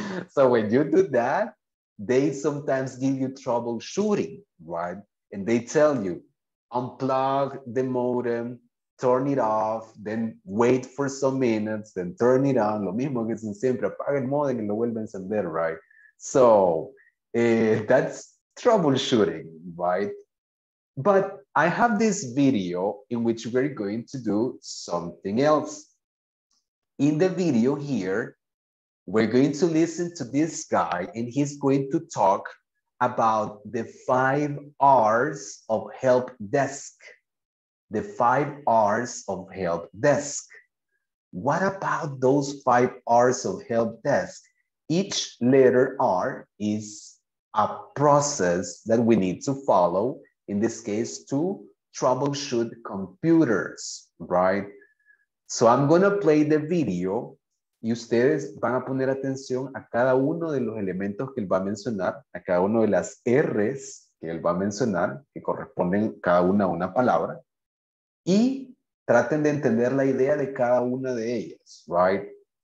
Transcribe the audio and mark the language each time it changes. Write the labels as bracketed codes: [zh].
[en] So when you do that, they sometimes give you troubleshooting, right? And they tell you, unplug the modem, turn it off, then wait for some minutes, then turn it on. [es] Lo mismo que dicen siempre, apaga el modem y lo vuelve a encender, right? [en] So that's troubleshooting, right? But I have this video in which we're going to do something else. In the video here, we're going to listen to this guy and he's going to talk about the 5 R's of help desk. The 5 R's of help desk. What about those 5 R's of help desk? Each letter R is a process that we need to follow, in this case, to troubleshoot computers, right? So I'm gonna play the video. [es] Y ustedes van a poner atención a cada uno de los elementos que él va a mencionar, a cada uno de las R's que él va a mencionar, que corresponden cada una a una palabra, y traten de entender la idea de cada una de ellas, right?